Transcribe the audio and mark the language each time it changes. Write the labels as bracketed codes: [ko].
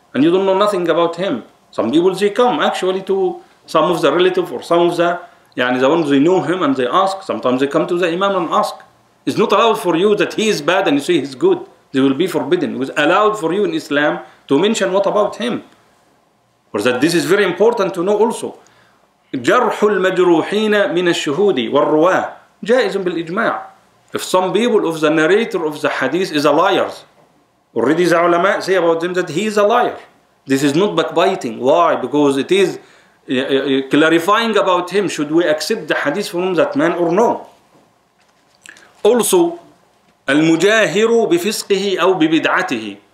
[en] and you don't know nothing about him. Some people they come actually to some of the relative or some of the, يعني the ones they know him and they ask. Sometimes they come to the Imam and ask. It's not allowed for you that he is bad and you say he's good. They will be forbidden. It was allowed for you in Islam to mention what about him. Or that this is very important to know also. [ar] جرح المجروحين من الشهود والرواة جائز بالإجماع. [en] If some people of the narrator of the hadith is a liar, already the ulama say about them that he is a liar. This is not backbiting. Why? Because it is clarifying about him. Should we accept the hadith from that man or no? Also, [ar] المجاهر بفسقه أو ببدعته.